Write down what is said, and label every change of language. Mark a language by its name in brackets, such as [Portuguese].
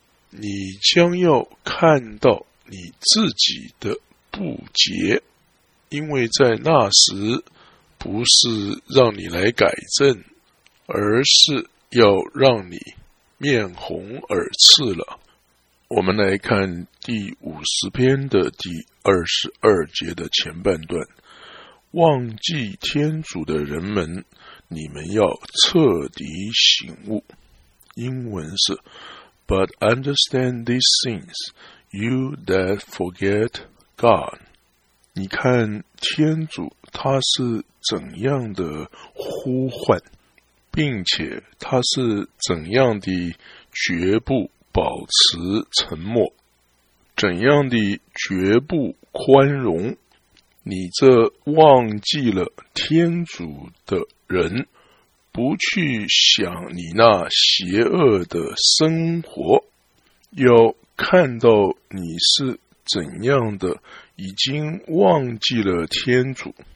[Chinese] 你将要看到你自己的不洁，因为在那时不是让你来改正，而是要让你面红耳赤了。我们来看第五十篇的第二十二节的前半段，忘记天主的人们，你们要彻底醒悟。英文是 [English] But understand these things, you that forget God. [Chinese] 你看天主他是怎样的呼唤，并且他是怎样的绝不保持沉默，怎样的绝不宽容，你这忘记了天主的人，不去想你那邪恶的生活，要看到你是怎样的，已经忘记了天主。